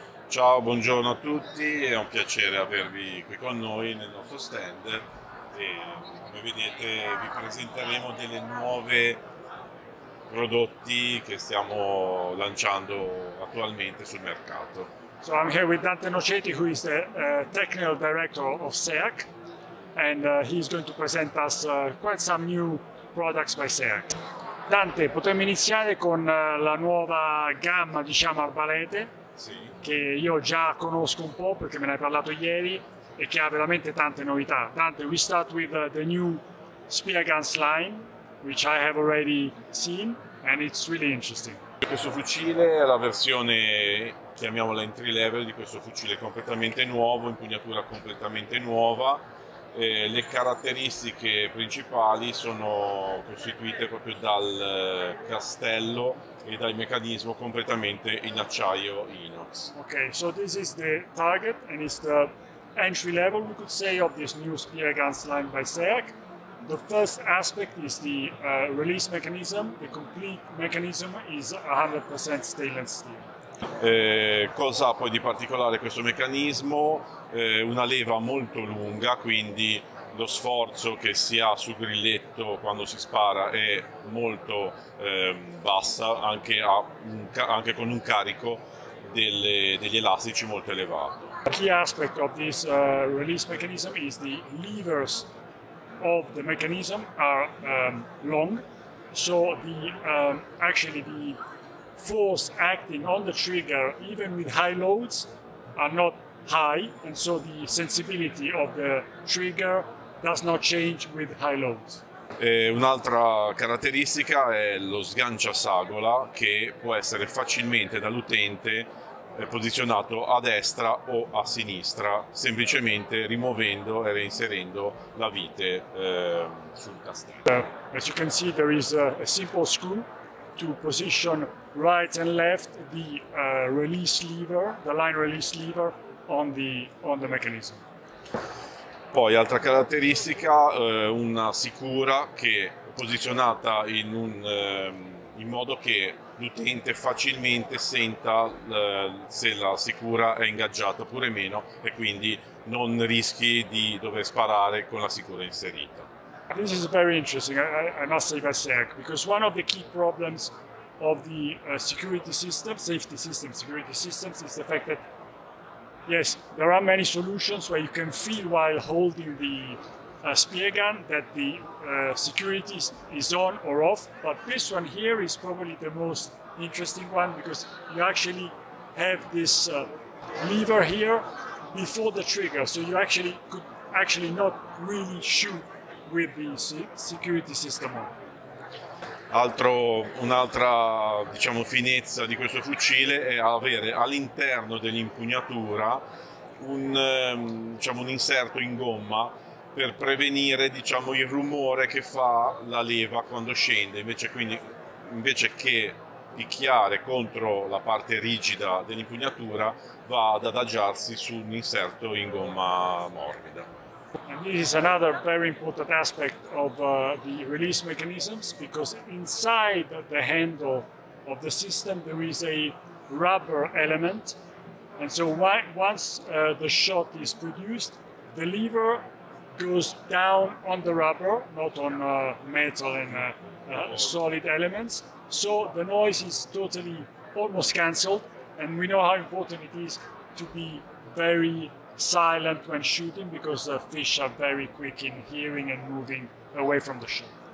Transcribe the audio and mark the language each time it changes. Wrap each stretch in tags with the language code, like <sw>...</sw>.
<it>Ciao, buongiorno a tutti, è un piacere avervi qui con noi nel nostro stand e come vedete vi presenteremo delle nuove prodotti che stiamo lanciando attualmente sul mercato.</it> <en>So I'm here with Dante Nocetti, who is the technical director of SEAC, and he's going to present us quite some new products by SEAC.</en> <it>Dante, potremmo iniziare con la nuova gamma, diciamo, arbalete? Sì. Che io già conosco un po' perché me ne hai parlato ieri e che ha veramente tante novità.</it> <en>Dante, we start with the new spear guns line, which I have already seen, and it's really interesting.</en> <it>Questo fucile è la versione, chiamiamola entry level, di questo fucile completamente nuovo, impugnatura completamente nuova. Le caratteristiche principali sono costituite proprio dal castello e dal meccanismo completamente in acciaio inox.</it> <en>Ok, so this is the target and it's the entry level, we could say, of this new spear guns line by SEAC. The first aspect is the release mechanism. The complete mechanism is 100% stainless steel.</en> <it>Cosa poi di particolare questo meccanismo? Una leva molto lunga, quindi lo sforzo che si ha sul grilletto quando si spara è molto bassa, anche con un carico degli elastici molto elevato.</it> <en>A key aspect of this release mechanism is the levers of the mechanism are long, so the actually the force acting on the trigger even with high loads are not high, and so the sensibility of the trigger does not change with high loads.</en> <it>Un'altra caratteristica è lo sgancia sagola, che può essere facilmente dall'utente posizionato a destra o a sinistra, semplicemente rimuovendo e reinserendo la vite sul castello.</it> <en>As you can see, there is a simple screw to position right and left the release lever, the line release lever on the mechanism.</en> <it>Poi altra caratteristica, una sicura che è posizionata in modo che l'utente facilmente senta se la sicura è ingaggiata oppure meno, e quindi non rischi di dover sparare con la sicura inserita.</it> <en>This is very interesting, I must say, by SEAC, because one of the key problems of the safety systems is the fact that yes, there are many solutions where you can feel while holding the spear gun that the security is on or off, but this one here is probably the most interesting one because you actually have this lever here before the trigger, so you actually could actually not really shoot with the security system on.</en> <it>Un'altra, diciamo, finezza di questo fucile è avere all'interno dell'impugnatura un inserto in gomma per prevenire, diciamo, il rumore che fa la leva quando scende, invece che picchiare contro la parte rigida dell'impugnatura va ad adagiarsi su un inserto in gomma morbida.</it> <en>And this is another very important aspect of the release mechanisms, because inside the handle of the system there is a rubber element, and so once the shot is produced, the lever goes down on the rubber, not on metal and solid elements, so the noise is totally almost cancelled, and we know how important it is to be very silent when shooting, because the fish are very quick in hearing and moving away from the shot.</en>